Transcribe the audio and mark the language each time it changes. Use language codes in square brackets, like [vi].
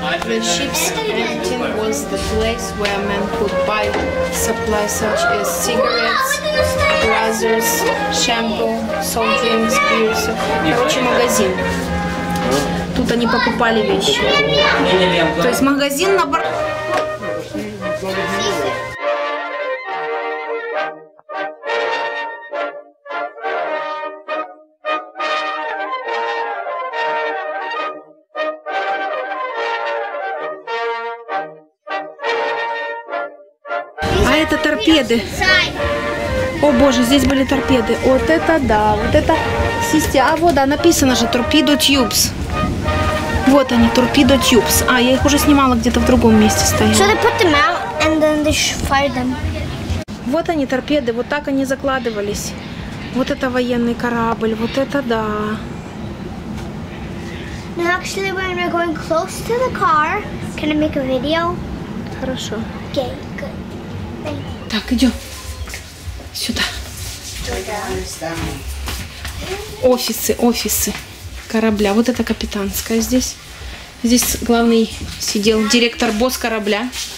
[en] The ship's canteen was the place where men could buy supplies such as cigarettes, razors, shampoo, salt drinks, beer. [ru] Короче, магазин. Тут они покупали вещи. То есть магазин на борту. А это торпеды. О боже, здесь были торпеды. Вот это да, вот это система. А вот, да, написано же Torpedo Tubes. Вот они, Torpedo Tubes. А, я их уже снимала где-то в другом месте стояла. [en] So they put them out and then they fired them. [ru] Вот они, торпеды, вот так они закладывались. Вот это военный корабль, вот это да. [en] No, actually, when we're going close to the car, can I make a video? [ru] Хорошо. [en] Okay, good. Thank you. [ru] Так, идем. Сюда. Офисы, офисы. Корабля. Вот это капитанская здесь. Здесь главный сидел директор, босс корабля.